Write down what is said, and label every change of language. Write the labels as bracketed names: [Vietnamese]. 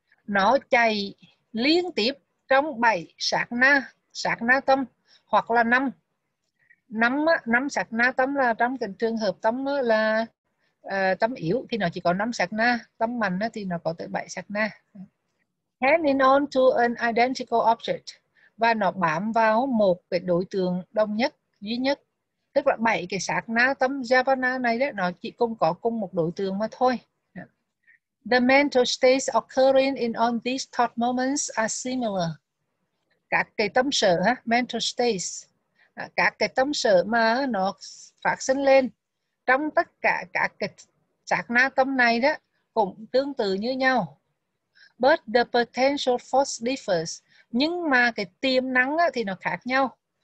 [Vietnamese] Nó chạy liên tiếp trong bảy sát na tâm hoặc là năm sát na tâm, là trong cái trường hợp tâm là tâm yếu thì nó chỉ có năm sát na, tâm mạnh thì nó có tới bảy sát na. [English] Hanging on to an identical object, [Vietnamese] và nó bám vào một cái đối tượng đồng nhất duy nhất, tức là bảy cái sát na tâm Javana này đó, nó chỉ cũng có cùng một đối tượng mà thôi. [English] The mental states occurring in all these thought moments are similar. [Vietnamese] Các cái tâm sở ha, mental states. Các cái tâm sở mà nó phát sinh lên trong tất cả các cái sát na tâm này đó cũng tương tự như nhau. [English] But the potential force differs. [Vietnamese] Nhưng mà cái tiềm năng á thì nó khác nhau.